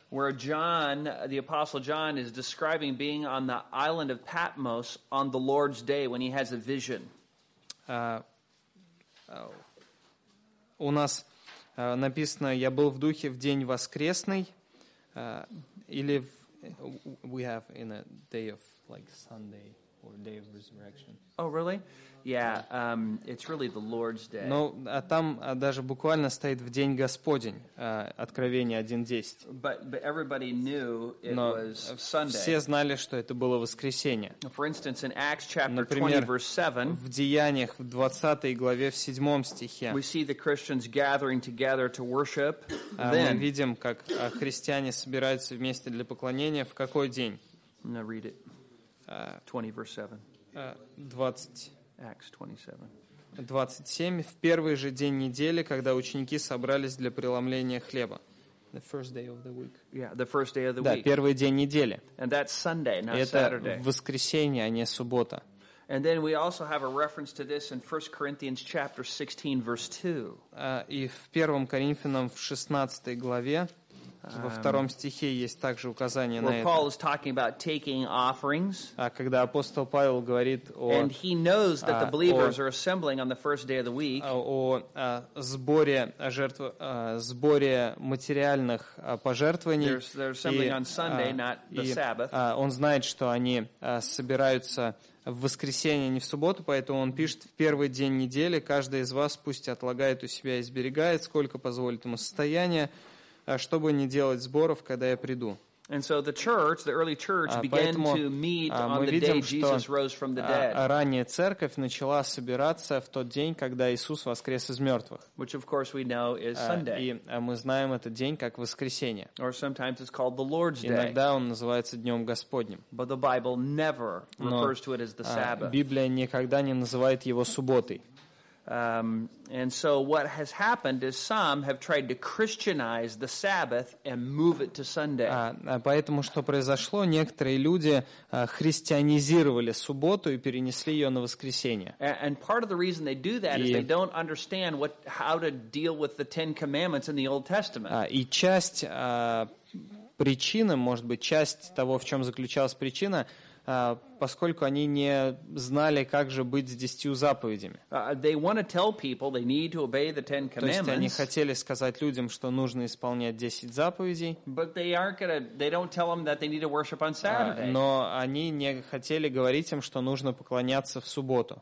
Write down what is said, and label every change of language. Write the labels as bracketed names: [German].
[English] Where John, the Apostle John, is describing being on the island of Patmos on the Lord's day when he has a vision. [Russian] У нас написано, я был в духе в день воскресный, или в, [English] we have in a day of, like, Sunday. Or day of resurrection. Oh, really? Yeah, it's really the Lord's day. [Russian] Но там даже буквально стоит в день Господень, Откровение 1:10. [English] But everybody knew it was Sunday. [Russian] Все знали, что это было воскресенье. [English] For instance, in Acts chapter 20, [Russian] например, [English] verse 7. [Russian] В Деяниях в 20 главе в 7 стихе. [English] We see the Christians gathering together to worship. [Russian] Мы видим, как христиане собираются вместе для поклонения в какой день? [English] Now read it. 20, verse 7. 20. Acts 27. 27. [Russian] В первый же день недели, когда ученики собрались для преломления хлеба. [English] The first day of the week. Yeah, the first day of the [Russian] да, [English] week. [Russian] Да, первый день недели. [English] And that's Sunday, not [Russian] это [English] Saturday. [Russian] Это воскресенье, а не суббота. [English] And then we also have a reference to this in 1 Corinthians chapter 16, verse 2. [Russian] И в первом Коринфянам в 16 главе. Во втором стихе есть также указание на это. [English] Paul is talking about taking offerings. [Russian] Когда апостол Павел говорит о... [English] And he knows that the believers are assembling on the first day of the week. [Russian] О сборе материальных пожертвований. [English] They're assembling on Sunday, not the Sabbath. [Russian] Он знает, что они собираются в воскресенье, не в субботу, поэтому он пишет, в первый день недели каждый из вас пусть отлагает у себя и сберегает, сколько позволит ему состояние, чтобы не делать сборов, когда я приду. [English] And so the church, the early church, began to meet on the [Russian] видим, [English] day Jesus rose from the dead. [Russian] Ранняя церковь начала собираться в тот день, когда Иисус воскрес из мертвых. [English] Which, of course, we know is Sunday. [Russian] Мы знаем этот день как воскресенье. [English] Or sometimes it's called the Lord's [Russian] Иногда [English] day. [Russian] Иногда он называется днем Господним. [English] But the Bible never refers to it as the Sabbath. [Russian] Библия никогда не называет его субботой. [English] And so what has happened is some have tried to Christianize the Sabbath and move it to Sunday. [Russian] Поэтому что произошло, некоторые люди христианизировали субботу и перенесли ее на воскресенье. [English] And part of the reason they do that is they don't understand what how to deal with the Ten Commandments in the Old Testament. [Russian] И часть причины, может быть, часть того, в чем заключалась причина, поскольку они не знали, как же быть с десятью заповедями. То есть они хотели сказать людям, что нужно исполнять десять заповедей, но они не хотели говорить им, что нужно поклоняться в субботу.